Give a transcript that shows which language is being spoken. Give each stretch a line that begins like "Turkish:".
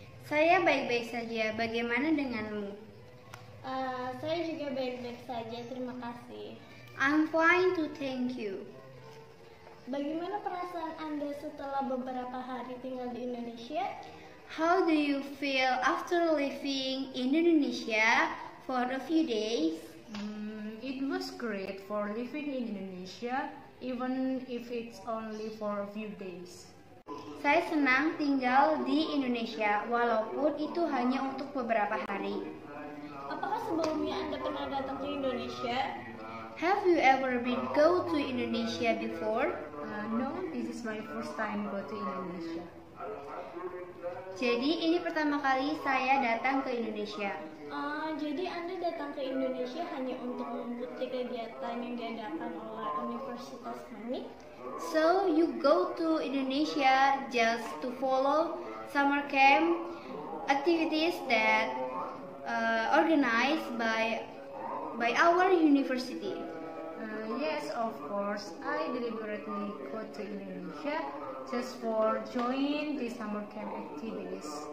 Indonesian: Saya baik-baik saja, bagaimana denganmu? Saya juga baik-baik saja, terima kasih.
English: I'm fine too, thank you.
Indonesian: Bagaimana perasaan Anda setelah beberapa hari tinggal di Indonesia?
English: How do you feel after living in Indonesia for a few days? It was great for living in Indonesia, even if it's only for a few days.
Indonesian: Saya senang tinggal di Indonesia, walaupun itu hanya untuk beberapa hari. Apakah sebelumnya Anda pernah datang ke Indonesia?
English: Have you ever been go to Indonesia before? No, this is my first time go to Indonesia.
Indonesian: Jadi ini pertama kali saya datang ke Indonesia. Jadi Anda datang ke Indonesia hanya untuk mengikuti kegiatan yang diadakan oleh universitas kami?
English: So you go to Indonesia just to follow summer camp activities that organized by our university? Yes, of course. I deliberately go to Indonesia just for join the summer camp activities.